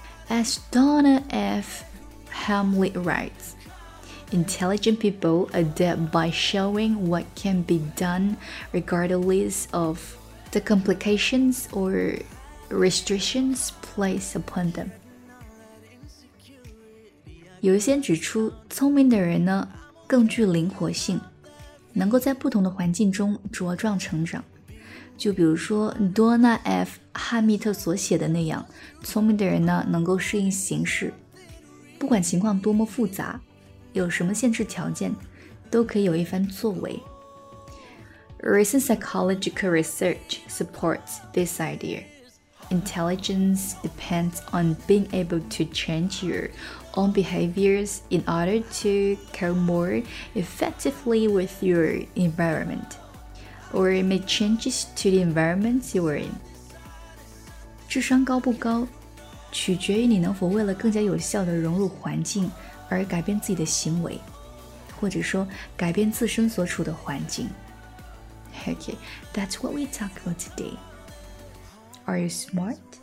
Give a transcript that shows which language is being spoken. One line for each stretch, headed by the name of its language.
English: As Donna F. Hamley writes, intelligent people adapt by showing what can be done regardless of the complications or restrictions placed upon them.
Chinese: 有一些指出，聪明的人呢更具灵活性，能够在不同的环境中茁壮成长。就比如说 Donna F. 汉密特所写的那样，聪明的人呢能够适应形势，不管情况多么复杂，有什么限制条件，都可以有一番作为。
English: Recent psychological research supports this idea. Intelligence depends on being able to change your own behaviors in order to cope more effectively with your environmentOr make changes to the environment you are in.
Chinese: 智商高不高，取决于你能否为了更加有效地融入环境而改变自己的行为，或者说改变自身所处的环境。
English: Okay, that's what we talk about today. Are you smart?